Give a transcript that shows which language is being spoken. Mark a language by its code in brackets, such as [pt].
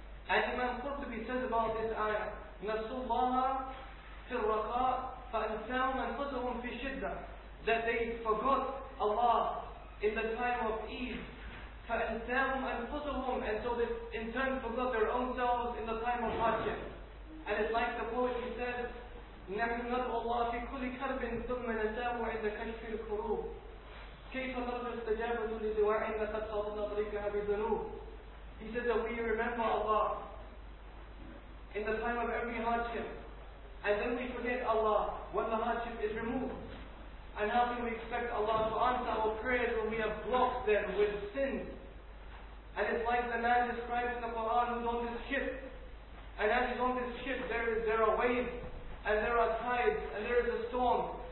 [en] And Imam Qurtubi says about this ayah, [ar] نَسُوا اللَّهَ فِي الرَّقَاءِ فَأَنْسَاهُمْ أَنْفُسَهُمْ فِي الشِّدَّةِ, [en] that they forgot Allah in the time of ease. [ar] فَأَنْسَاهُمْ أَنْفُسَهُمْ, [en] and so they in turn forgot their own selves in the time of hardship. And it's like the poet, he says, [ar] نَحْنُ نَدْعُ اللَّهَ فِي كُلِّ كَرْبٍ ثُمَّ نَسَاهُ عِنْدَ كَشْفِ الْكُرُوبِ كَيْفَ نَرْجُ اسْتَجَابَةُ لِدُوَاعٍ لَقَدْ صَرَفْنَا طَرِيقَهَا بِذُنُوبٍ. [en] He said that we remember Allah in the time of every hardship, and then we forget Allah when the hardship is removed. And how can we expect Allah to answer our prayers when we have blocked them with sin? And it's like the man described in the Quran who's on this ship. And as he's on this ship, there are waves, and there are tides, and there is a storm.